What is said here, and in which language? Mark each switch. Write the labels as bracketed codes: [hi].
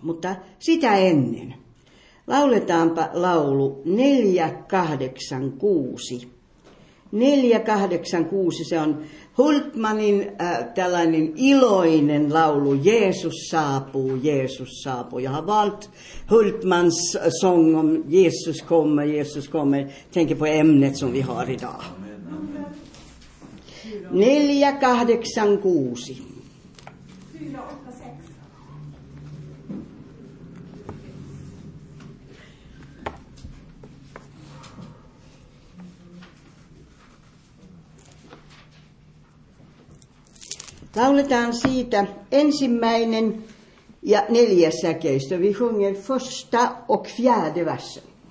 [fi] Mutta sitä ennen. Lauletaanpa laulu 486. 486, se on Hultmanin tällainen iloinen laulu, Jeesus saapuu, Jeesus saapuu. [sv] Ja Walt Hultmans song om Jeesus komme, tänke på ämnet som vi har idag. [fi] 486. Lauletaan siitä ensimmäinen ja neljäs säkeistö. [sv] Vi sjunger första och fjärde versen.